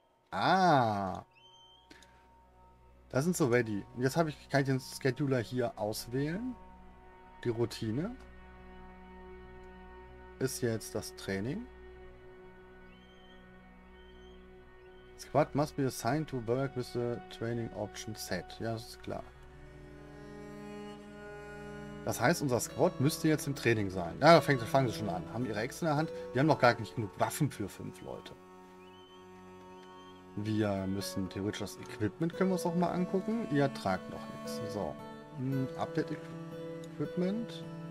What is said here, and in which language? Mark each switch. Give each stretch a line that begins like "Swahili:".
German: Ah. Das sind so ready. Und jetzt kann ich den Scheduler hier auswählen. Die Routine ist jetzt das Training.
English: Squad must be assigned to work with the training option set.
German: Ja, das ist klar. Das heißt, unser Squad müsste jetzt im Training sein. Ja, fangen sie schon an. Haben ihre Äxte in der Hand. Wir haben noch gar nicht genug Waffen für 5 Leute. Wir müssen theoretisch das Equipment, können wir uns auch mal angucken. Ihr tragt noch nichts. So. Update Equipment.